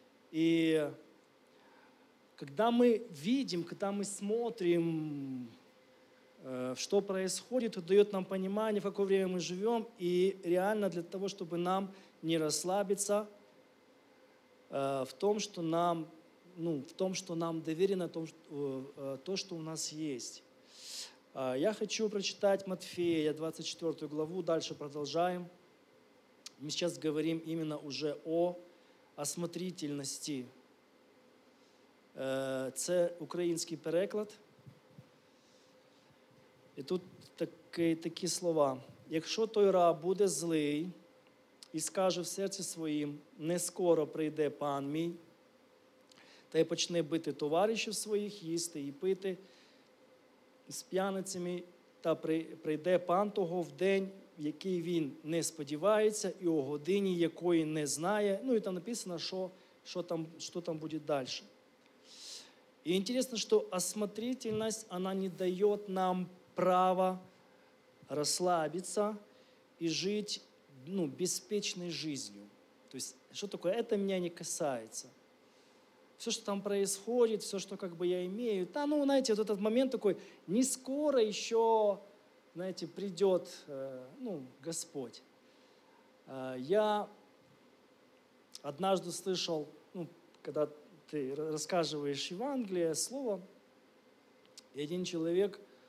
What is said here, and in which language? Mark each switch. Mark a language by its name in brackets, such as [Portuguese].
[Russian] И когда мы видим, когда мы смотрим, что происходит, это дает нам понимание, в какое время мы живем, и реально для того, чтобы нам не расслабиться в том, что нам, ну, в том, что нам доверено, то, что у нас есть. Я хочу прочитать Матфея, 24 главу, дальше продолжаем. Мы сейчас говорим именно уже о осмотрительности. [Ukrainian] Це украинский переклад. І тут такі слова. Якщо той раб буде злий і скаже в серці своїм, не скоро прийде пан мій, та й почне бити товаришів своїх, їсти і пити з п'яницями, та прийде пан того в день, який він не сподівається, і о годині, якої не знає. Ну і там написано, що там буде далі. І інтересно, що осмотрительність, вона не дає нам право [Russian] расслабиться и жить, ну, беспечной жизнью. То есть, что такое? Это меня не касается. Все, что там происходит, все, что как бы я имею. Да, ну, знаете, вот этот момент такой, не скоро еще, знаете, придет, ну, Господь. Я однажды слышал, ну, когда ты рассказываешь Евангелие, слово, и один человек...